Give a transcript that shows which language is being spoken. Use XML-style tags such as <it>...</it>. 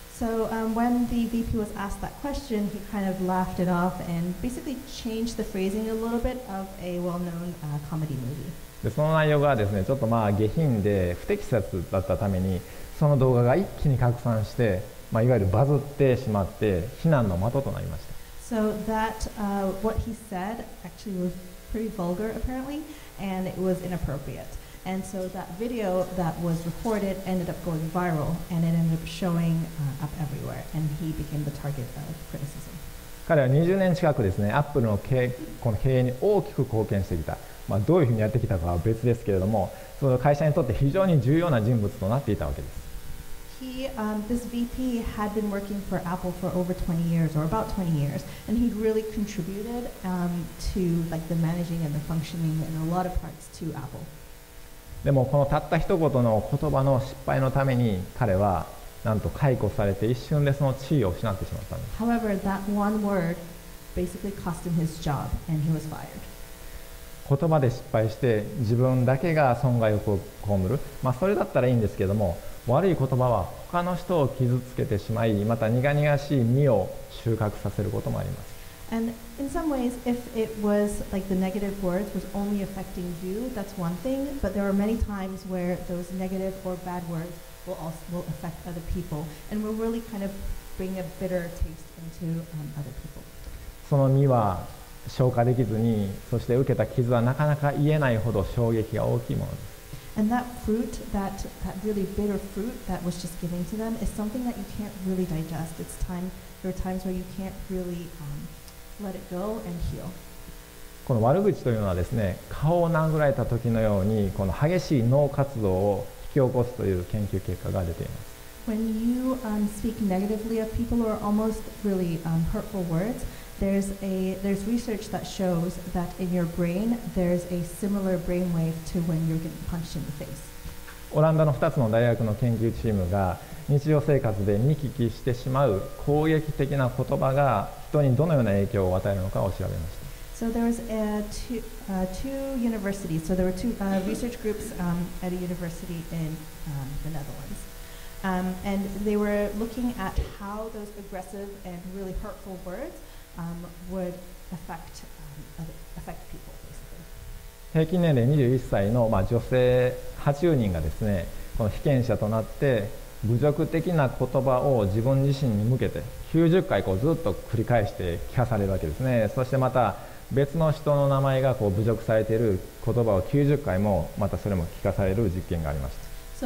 <en>So, when the VP was asked that question, he kind of laughed it off and basically changed the phrasing a little bit of a well-known, comedy movie.</en> <ja>で、その内容がですね、ちょっとまあ下品で不適切だったためにその動画が一気に拡散して、まあ、いわゆるバズってしまって非難の的となりました。</ja> <en>So that, what he said actually was pretty vulgar apparently and it was inappropriate. And so that video that was recorded ended up going viral and it ended up showing, up everywhere and he became the target of criticism.</en> <ja>彼は20年近くですね、Apple の経この経営に大きく貢献してきた。まあ、どういうふうにやってきたかは別ですけれども、その会社にとって非常に重要な人物となっていたわけです。</ja> <en>He, this VP had been working for Apple for over 20 years, or about 20 years, and he'd really contributed, to like the managing and the functioning in a lot of parts to Apple.</en> <ja>でもこのたった一言の言葉の失敗のために彼はなんと解雇されて一瞬でその地位を失ってしまったんです。</ja> <en>However, that one word basically cost him his job, and he was fired.</en> <ja>言葉で失敗して自分だけが損害を被る、まあ、それだったらいいんですけども、悪い言葉は他の人を傷つけてしまい、また苦々しい実を収穫させることもあります。</ja> <en>And in some ways, if it was like the negative words was only affecting you, that's one thing. But there are many times where those negative or bad words will affect other people and will really kind of bring a bitter taste into other people.</en> <ja>その実は消化できずに、そして受けた傷はなかなか癒えないほど衝撃が大きいものです。</ja> <en>And that fruit, that really bitter fruit that was just given to them, is something that you can't really digest. It's time, there are times where you can't really let it go and heal.</en> <ja>この悪口というのはですね、顔を殴られた時のように、この激しい脳活動を引き起こすという研究結果が出ています。</ja> <en>When you speak negatively of people or almost really hurtful words, there's research that shows that in your brain, there's a similar brainwave to when you're getting punched in the face.</en> <ja>オランダの2つの大学の研究チームが日常生活で見聞きしてしまう攻撃的な言葉が人にどのような影響を与えるのかを調べました。</ja> <en>So there was two universities. So there were two research groups at a university in the Netherlands. And they were looking at how those aggressive and really hurtful words would affect people, basically.</en> <ja>平均年齢21歳の、まあ、女性80人がですね、この被験者となって侮辱的な言葉を自分自身に向けて90回こうずっと繰り返して聞かされるわけですね。そしてまた別の人の名前がこう侮辱されている言葉を90回もまたそれも聞かされる実験がありました。</ja>